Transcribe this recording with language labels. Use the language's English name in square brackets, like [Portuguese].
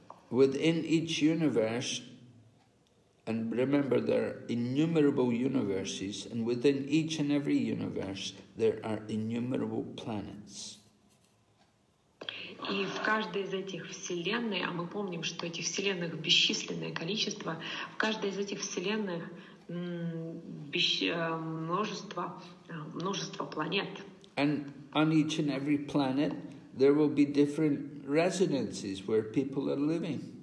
[English] Within each universe, and remember there are innumerable universes, and within each and every universe there are innumerable planets. [Russian] И в каждой из этих вселенных, а мы помним, что этих вселенных бесчисленное количество, в каждой из этих вселенных множество планет. [English] And on each and every planet, there will be different residences where people are living.